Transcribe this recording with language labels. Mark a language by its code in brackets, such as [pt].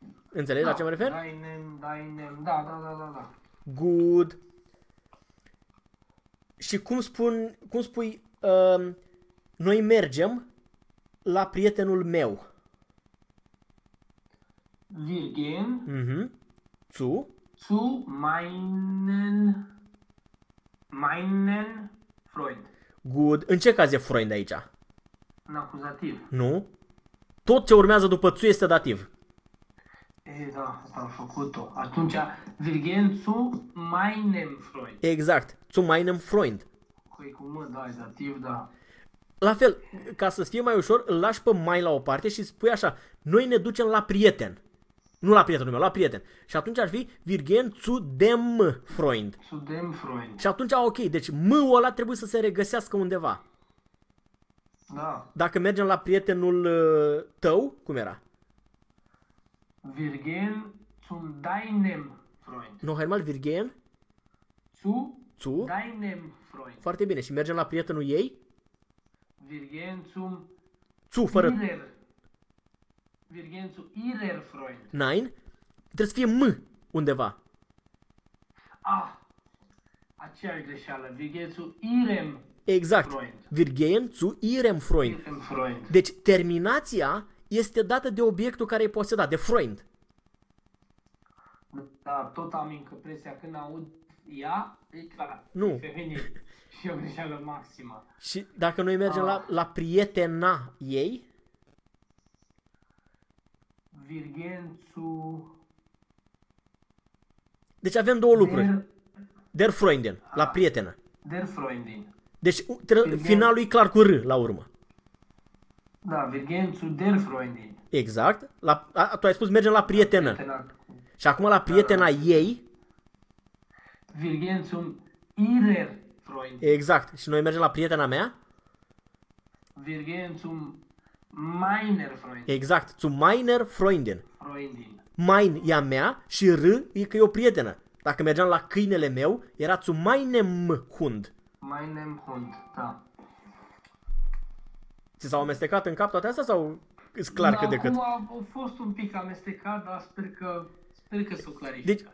[ro] Înțelegi da. La ce mă refer? Dainem, Dainem. Da, da, da, da, da. [en] Good. [ro] Și cum spun, cum spui noi mergem la prietenul meu? [de] Wir gehen. Mhm. Zu? Zu meinen meinen Freund. [ro] Good. În ce caz e Freund aici? În acuzativ. Nu. Tot ce urmează după tu este dativ. E, da, asta am făcut-o. Atunci, [de] wir gehen zu meinem Freund. Exact. Zu meinem Freund. [ro] Păi cu mă, da, e dativ, da. La fel, ca să-ți fie mai ușor, îl lași pe mai la o parte și spui așa, noi ne ducem la prieten. Nu la prietenul meu, la prieten. Și atunci ar fi [de] wir gehen zu dem Freund. Zu dem Freund. [ro] Și atunci, ok, deci m-ul ăla trebuie să se regăsească undeva. Da. Dacă mergem la prietenul tău, cum era? [de] Wir gehen zu deinem Freund. [ro] Nu, hai mal, [de] wir gehen zu, zu deinem Freund. [ro] Foarte bine. Și mergem la prietenul ei? [de] Wir gehen zum [ro] zu, fără... [de] Ihrer. Wir gehen zu Ihrer Freund. [ro] Nein. Trebuie să fie M undeva. Ah, aceea e greșeală. [de] Wir gehen zu Ihrem. [ro] Exact. [de] Wir gehen zu Ihrem Freund. Ihrem Freund. [ro] Deci terminația este dată de obiectul care e posedat, de Freund. Da, tot am impresia când aud ea, e clar. Nu. Și o greșeală maximă. Și dacă noi mergem la, la prietena ei? [de] Wir gehen zu... [ro] Deci avem două lucruri. [de] Der Freundin, [ro] la prietenă. [de] Der Freundin. [ro] Deci finalul e clar cu R la urmă. Da, [de] wir gehen zu der Freundin. [ro] Exact. La, tu ai spus mergem la prietenă. Și acum la prietena ei. [de] Wir gehen zum ihrer Freundin. [ro] Exact. Și noi mergem la prietena mea. [de] Wir gehen zum meiner Freundin. Exact. Zu meiner Freundin. Freundin. [ro] Mein e a mea și R e că e o prietenă. Dacă mergeam la câinele meu, era [de] zu meinem Hund. Meinem Hund, da. [ro] Ți s-au amestecat în cap toate astea sau îți clar da, cât de cât? Acum a fost un pic amestecat, dar sper că s-o clarifică.